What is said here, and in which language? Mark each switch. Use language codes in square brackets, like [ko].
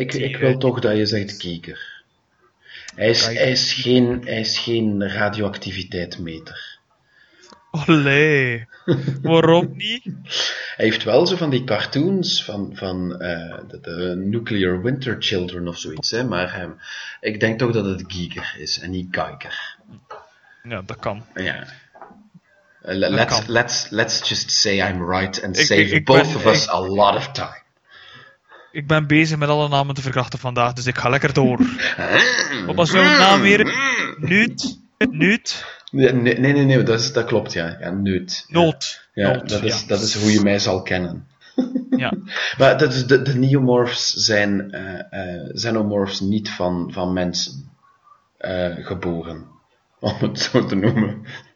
[nl] Ik wil toch dat je zegt Geiger. Hij is geen radioactiviteitsmeter. Allee, waarom niet? Hij heeft wel zo van die cartoons van de Nuclear Winter Children of zoiets, hè? Maar ik denk toch dat het Geiger is en niet Geiger. Ja, dat kan. Ja. [en] Let's just say I'm right and save both of us a lot of time. [nl] Ik ben bezig met alle namen te verkrachten vandaag, dus ik ga lekker door. Wat was jouw naam weer? Nuut? Nee, dat klopt, ja. Ja, nut. Noot. Ja, dat is hoe je mij zal kennen. Ja. Maar de neomorphs zijn xenomorphs niet van mensen geboren, om het zo te noemen.